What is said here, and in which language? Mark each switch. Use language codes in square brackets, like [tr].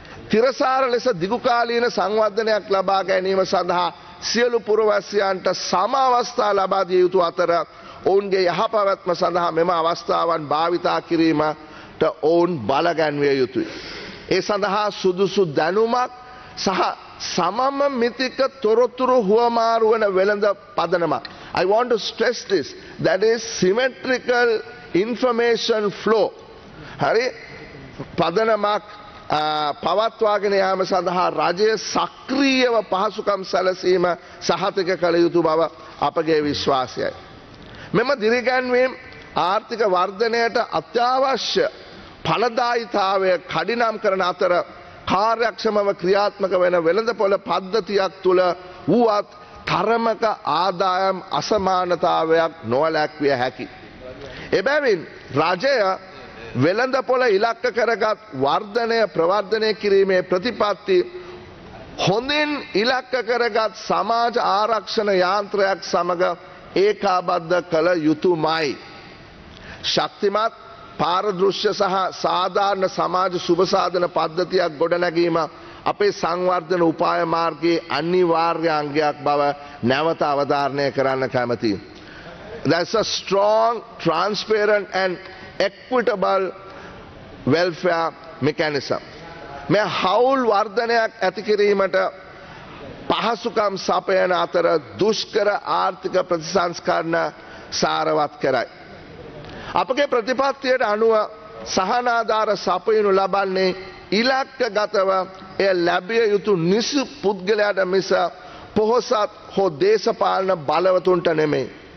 [si] තිරසාර ලෙස දිගුකාලීන සංවර්ධනයක් ලබා ගැනීම සඳහා සියලු පුරවැසියන්ට සම අවස්ථා ලබා දිය යුතු අතර ඔවුන්ගේ යහපැවැත්ම සඳහා මෙම අවස්ථාවන් භාවිතා කිරීමට ඔවුන් බලගැන්විය යුතුයි. ඒ සඳහා සුදුසු දැනුමක් සහ සමම මිතික තොරතුරු හුවමාරු වන වෙළඳ පදනමක්. [en] I want to stress this, that is symmetrical information flow. [si] හරි, පදනමක් පවත්වාගෙන යාම සඳහා රජය සක්‍රීයව පහසුකම් සැලසීම සහතික කළ යුතු බව අපගේ විශ්වාසයයි. මෙම දිරිගැන්වීම් ආර්ථික වර්ධනයට අත්‍යවශ්‍ය ඵලදායිතාවය කඩිනම් කරන අතර කාර්යක්ෂමව ක්‍රියාත්මක වෙන වෙළඳපොළ පද්ධතියක් තුළ වුවත් තරමක ආදායම් අසමානතාවයක් නොවැළැක්විය හැකි. එබැවින් රජය වෙළඳපොළ ඉලක්ක කරගත් වර්ධනය ප්‍රවර්ධනය කිරීමේ ප්‍රතිපත්ති හොඳින් ඉලක්ක කරගත් සමාජ ආරක්ෂණ යාන්ත්‍රයක් සමග ඒකාබද්ධ කළ යුතුමයි. ශක්තිමත් පාරදෘශ්‍ය සහ සාධාරණ සමාජ සුබසාධන පද්ධතියක් ගොඩනැගීම අපේ සංවර්ධන උපාය මාර්ගයේ අනිවාර්ය අංගයක් බව නැවත අවධාරණය කරන්න කැමතියි. [en] That's a strong, transparent and equitable welfare mechanism. [si] මේ හවුල් වර්ධනයක් ඇති කිරීමට පහසුකම් සපයන අතර දුෂ්කර ආර්ථික ප්‍රතිසංස්කරණ සාරවත් කරයි. අපගේ ප්‍රතිපත්තියට අනුව සහනාධාර සපයනු ලබන්නේ ඉලක්ක ගතව එය ලැබිය යුතු නිසි පුද්ගලයාට මිස පොහොසත් හෝ දේශපාලන බලවතුන්ට නෙමේ.